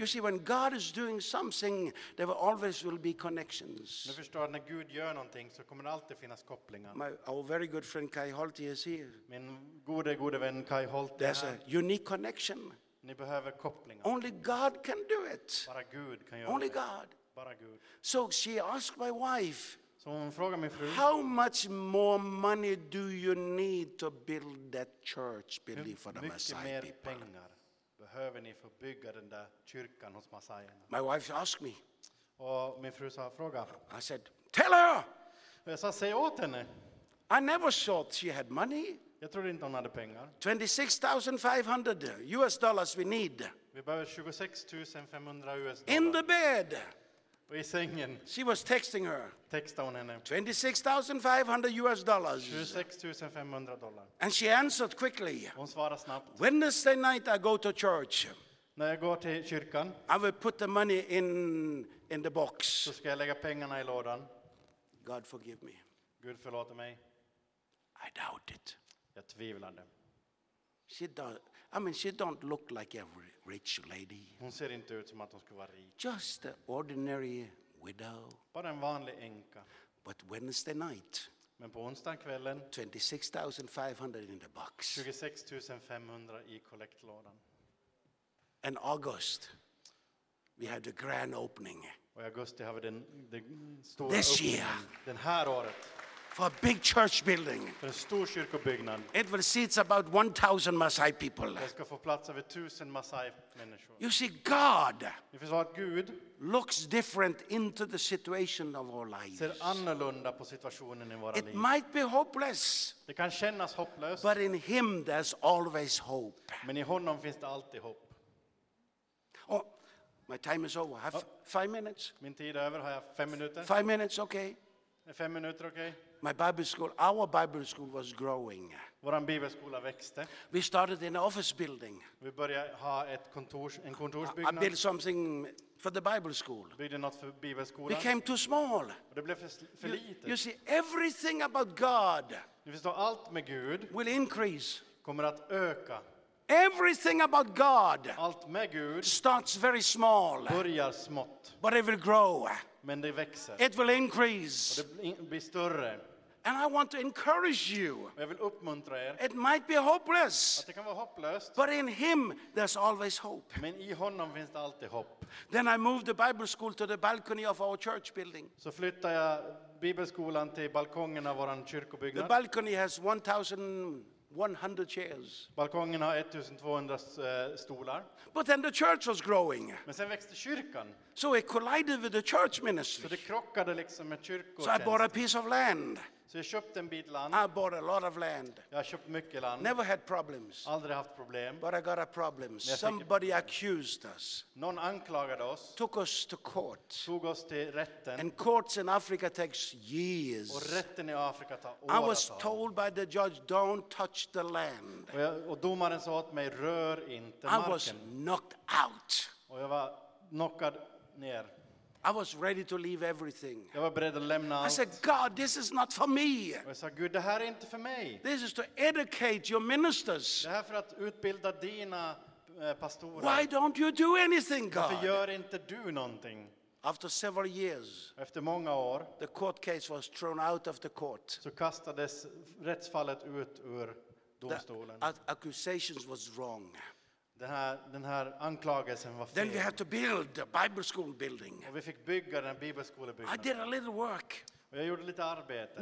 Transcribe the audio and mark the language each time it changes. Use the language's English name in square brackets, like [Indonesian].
[English] You see, when God is doing something, there will always will be connections. [Swedish] Nu förstår när Gud gör någonting så kommer det alltid finnas kopplingar. [English] Our very good friend Kai Holti is here. [Swedish] Min gode vän Kai Holti. [English] There's a unique connection. [Swedish] Ni behöver kopplingar. [English] Only God can do it. [Swedish] Bara Gud kan göra [English] Only [Swedish] det. [English] God. [Swedish] Bara Gud. [English] So she asked my wife, [Swedish] så hon frågade min fru, [English] how much more money do you need to build that church, Billy, for the Maasai people? [Swedish] Mycket mer pengar behöver ni för att bygga den där kyrkan hos Maasaierna? [English] My wife asked me. [Swedish] Och min fru sa fråga. [English] I said, tell her. [Swedish] Jag sa säg åt henne. [English] I never thought she had money. [Swedish] Jag trodde inte hon hade pengar. [English] $26,500 we need. [Swedish] Vi behöver 26,500 US dollar. [English] In the bed. [Swedish] I sängen. [English] She was texting her. [Swedish] Textade hon henne. [English] $26,500 US. [Swedish] 26,500 dollar. [English] And she answered quickly. [Swedish] Hon svarade snabbt. [English] Wednesday night I go to church. [Swedish] När jag går till kyrkan. [English] I will put the money in the box. [Swedish] Så ska jag lägga pengarna i lådan. [English] God forgive me. [Swedish] Gud förlåter mig. [English] I doubt it. [Swedish] Jag tvivlade. [English] She don't look like a rich lady. [Swedish] Hon ser inte ut som att hon skulle vara rik. [English] Just an ordinary widow. [Swedish] Bara en vanlig änka. [English] But Wednesday night. [Swedish] Men på onsdag kvällen. [English] 26,500 in the box. [Swedish] 26,500 i kollektlådan. [English] In August, we had the grand opening. [Swedish] Och i augusti har vi den stora [English] this year. [Swedish] Den här året. [English] For a big church building. [Swedish] För en stor kyrkobyggnad. [English] It will seat about 1,000 Maasai people. [Swedish] Det ska få plats över 1,000 Maasai människor. [English] You see, God. [Swedish] Vi förstår att Gud [English] looks different into the situation of our lives. [Swedish] Ser annorlunda på situationen i våra liv. [English] It might be hopeless. [Swedish] Det kan kännas hopplöst. [English] But in Him there's always hope. [Swedish] Men i honom finns det alltid hopp. [English] Oh, my time is over. I have 5 minutes. [Swedish] Min tid är över. Har jag 5 minuter? [English] 5 minutes, okay. 5 minutes, okay. My Bible school, our Bible school was growing. [Swedish] Vår bibelskola växte. [English] We started in an office building. [Swedish] Vi började ha ett kontorsbyggnad. [English] I built something for the Bible school. [Swedish] Byggde något för bibelskolan. [English] We came too small. [Swedish] Det blev för lite. [English] You see, everything about God. [Swedish] Ni förstår allt med Gud. [English] Will increase. [Swedish] Kommer att öka. [English] Everything about God. [Swedish] Allt med Gud. [English] Starts very small. [Swedish] Börjar smått. [English] But it will grow. [Swedish] Men det växer. [English] It will increase. [Swedish] Och det blir större. [English] And I want to encourage you. [Swedish] Jag vill uppmuntra er. [English] It might be hopeless. [Swedish] Att det kan vara hopplöst. [English] But in Him there's always hope. [Swedish] Men i honom finns det alltid hopp. [English] Then I moved the Bible school to the balcony of our church building. [Swedish] Så flyttade jag bibelskolan till balkongen av våran kyrkobyggnad. [English] The balcony has 1,000 100 chairs. [Swedish] Balkongen har 1,200 stolar. [English] But then the church was growing. [Swedish] Men sen växte kyrkan. [English] So it collided with the church ministry. [Swedish] Så det krockade liksom med kyrkotjänst. [English] So I bought a piece of land. [Swedish] Så jag köpte en bit land. [English] I bought a lot of land. [Swedish] Jag köpte mycket land. [English] Never had problems. [Swedish] Aldrig haft problem. [English] But I got a problem. Somebody accused us. [Swedish] Någon anklagade oss. [English] Took us to court. [Swedish] Tog oss till rätten. [English] And courts in Africa takes years. [Swedish] Och rätten i Afrika tar år. [English] I was told by the judge, don't touch the land. [Swedish] Och domaren sa åt mig, rör inte marken. [English] I was knocked out. [Swedish] Och jag var knockad ner. [English] I was ready to leave everything. [Swedish] Jag var beredd att lämna allt. [English] I said, God, this is not for me. [Swedish] Jag sa, Gud, det här är inte för mig. [English] This is to educate your ministers. [Swedish] Det här är för att utbilda dina pastorer. [English] Why don't you do anything, God? [Swedish] Varför gör inte du någonting? [English] After several years. [Swedish] Efter många år. [English] The court case was thrown out of the court. [Swedish] Så kastades rättsfallet ut ur domstolen. [English] The accusations was wrong. [Swedish] Den här anklagelsen var fel. [English] Then we had to build the Bible school building. [Swedish] Och vi fick bygga den bibelskolebyggnaden. [English] I did a little work. [Swedish] Och jag gjorde lite arbete.